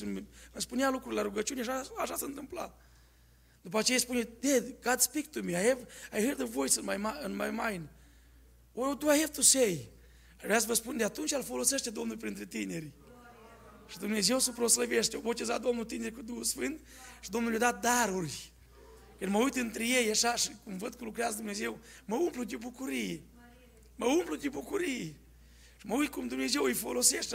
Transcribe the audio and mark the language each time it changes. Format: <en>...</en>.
<ro>Îmi spunea lucrurile la rugăciune și așa se întâmpla. După aceea spune,</ro> <en>Dad, God speak to me, I heard a voice in my mind. What do I have to say?</en> <ro>Vreau să vă spun, de atunci îl folosește Domnul printre tineri. Și Dumnezeu se proslăvește. O botezat Domnul tineri cu Duhul Sfânt și Domnul i-a dat daruri. Când mă uit între ei așa și cum văd că lucrează Dumnezeu, mă umplu de bucurie. Mă umplu de bucurie. Și mă uit cum Dumnezeu îi folosește.</ro>